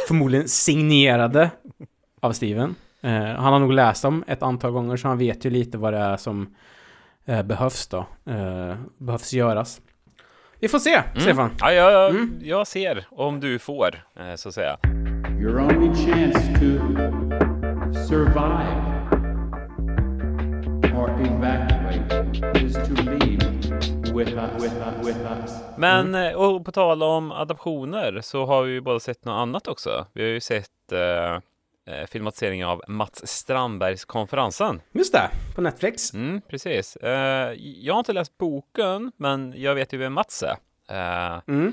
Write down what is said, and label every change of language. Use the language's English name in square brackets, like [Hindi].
[Swedish] Förmodligen signerade av Steven. Han har nog läst dem ett antal gånger, så han vet ju lite vad det är som behövs då. Behövs göras. Vi får se, Stefan. Ja, jag ser om du får, så att säga. [English] Your only chance to survive or evacuate is to leave. With us. [Swedish] Men och på tal om adaptioner, så har vi ju både sett något annat också. Vi har ju sett filmatiseringen av Mats Strandbergs Konferensen. Just det, på Netflix. Precis. Jag har inte läst boken, men jag vet ju vem Mats är.